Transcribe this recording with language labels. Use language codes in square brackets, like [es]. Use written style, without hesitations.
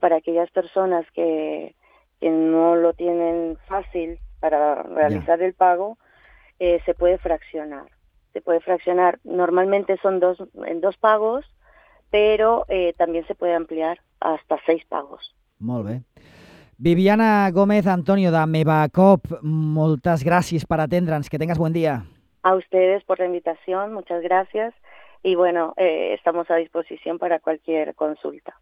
[es] Para aquellas personas que no lo tienen fácil para realizar el pago, se puede fraccionar. Normalmente son en dos pagos, pero también se puede ampliar hasta 6 pagos. [ca] Molt bé. Viviana Gómez Antonio de Mevacop, moltes gràcies per atendre'ns. [es] Que tengas buen día. A ustedes por la invitación, muchas gracias. Y bueno, estamos a disposición para cualquier consulta.